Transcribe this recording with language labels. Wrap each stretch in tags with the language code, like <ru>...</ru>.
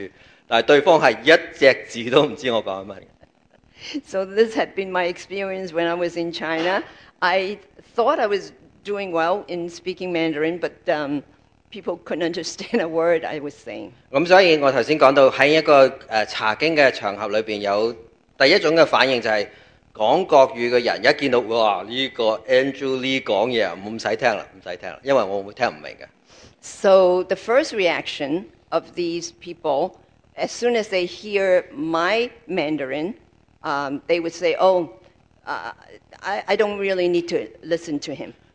<zh>這個也是我在中國的感受，就是我在很勤力地講國語，但對方是一隻字都不知道我講什麼。</zh> <en>So this had been my experience when I was in China. I thought I was doing well in speaking Mandarin, but people couldn't understand a word I was saying.</en> <zh>所以我剛才講到在一個茶經的場合裡面，有第一種的反應就是講國語的人一見到，哇，這個Andrew Lee講話，不用聽了，不用聽了，因為我聽不明白。So</zh> <en>the first reaction of these people, as soon as they hear my Mandarin, they would say, oh, I don't really need to listen to him.</en>